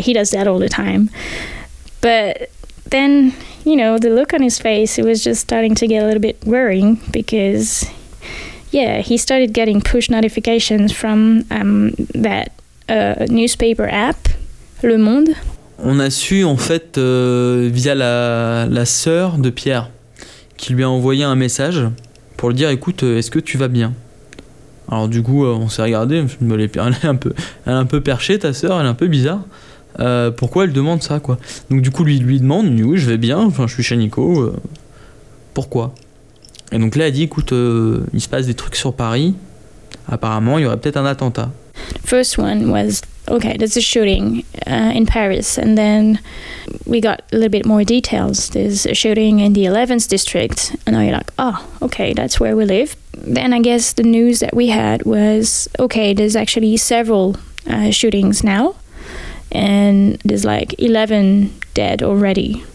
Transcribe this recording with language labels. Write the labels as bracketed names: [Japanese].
[English] He does that all the time. But then, you know, the look on his face, it was just starting to get a little bit worrying because, yeah, he started getting push notifications from that newspaper app, Le Monde. [French] On a su, en fait, via la sœur de Pierre, qui lui a envoyé un message pour lui dire, écoute, est-ce que tu vas bien? Alors du coup, on s'est regardé, elle est un peu perchée, ta sœur, elle est un peu bizarre. Pourquoi elle demande ça, quoi? Donc du coup, lui demande, oui, je vais bien, enfin, je suis chez Nico, pourquoi? Et donc là, elle dit, écoute, il se passe des trucs sur Paris, apparemment, il y aurait peut-être un attentat. [English] First one was, okay, there's a shooting in Paris, and then we got a little bit more details. There's a shooting in the 11th district, and now you're like, oh, okay, that's where we live. Then I guess the news that we had was, okay, there's actually several shootings now, and there's like 11 dead already.